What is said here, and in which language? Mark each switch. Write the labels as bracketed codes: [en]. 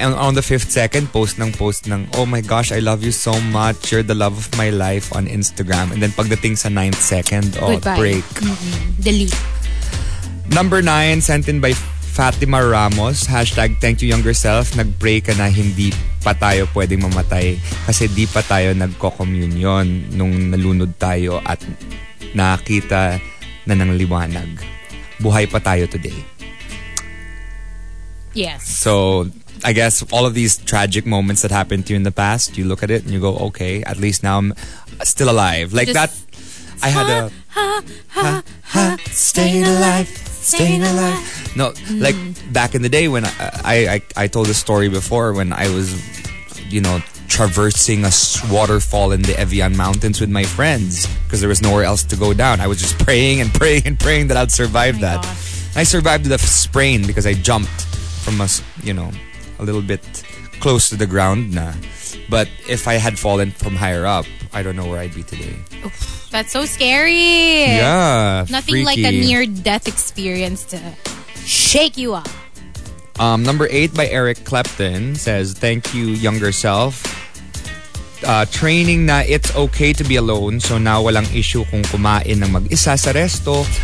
[en] On the 5th second, post ng, oh my gosh, I love you so much. You're the love of my life on Instagram. And then pagdating sa 9th second, oh, goodbye. Break. Delete. Number 9, sent in by Fatima Ramos. Hashtag thank you younger self. [tl] Nag-break ka na, hindi pa tayo pwedeng mamatay. Kasi di pa tayo nagko-communion nung nalunod tayo at nakita na ng liwanag. Buhay pa tayo today. [en] Yes. So, I guess all of these tragic moments that happened to you in the past, you look at it and you go, okay, at least now I'm still alive. Like just that, I had a... Staying alive. No, like back in the day when I told the story before when I was, you know, traversing a waterfall in the Evian Mountains with my friends because there was nowhere else to go down. I was just praying and praying and praying that I'd survive that. Gosh. I survived the sprain because I jumped from a little bit close to the ground. Na. But if I had fallen from higher up, I don't know where I'd be today. Oof, that's so scary. Yeah. Nothing Like a near-death experience to shake you up. Number 8 by Eric Clapton says, thank you, younger self. Training na it's okay to be alone. [tl] So now walang issue kung kumain ng mag-isa sa resto.